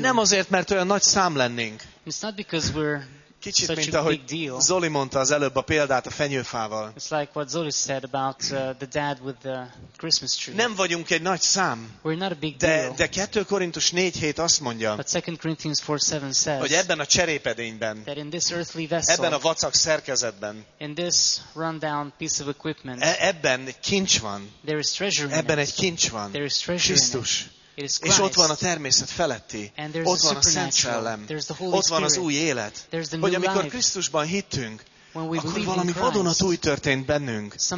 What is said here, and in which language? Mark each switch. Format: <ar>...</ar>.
<hu>Nem azért, mert olyan nagy szám lennénk.</hu> <en>It's not because we're</en> <hu>kicsit,</hu> <en>such</en> <hu>mint a ahogy</hu> <en>big deal.</en> <hu>Zoli mondta az előbb a példát a fenyőfával.</hu> <en>It's like what Zoli said about the dad with the Christmas tree.</en> <hu>Nem vagyunk egy nagy szám.</hu> <en>We're not a big deal.</en> <hu>De 2 Korintus 4:7 azt mondja,</hu> <en>but 2 Corinthians 4:7 says,</en> <hu>hogy ebben a cserépedényben,</hu> <en>that in this earthly vessel,</en> <hu>ebben a vacak szerkezetben,</hu> <en>in this rundown piece of equipment,</en> <hu>ebben kincs van.</hu> <en>There is treasure in it.</en> <hu>Ebben egy kincs van.</hu> <en>There is treasure in it.</en> <hu>Krisztus. És ott van a természet feletti, ott van a Szent Szellem, ott van az új élet, hogy amikor Krisztusban hittünk, akkor valami vadonatúj történt bennünk.</hu>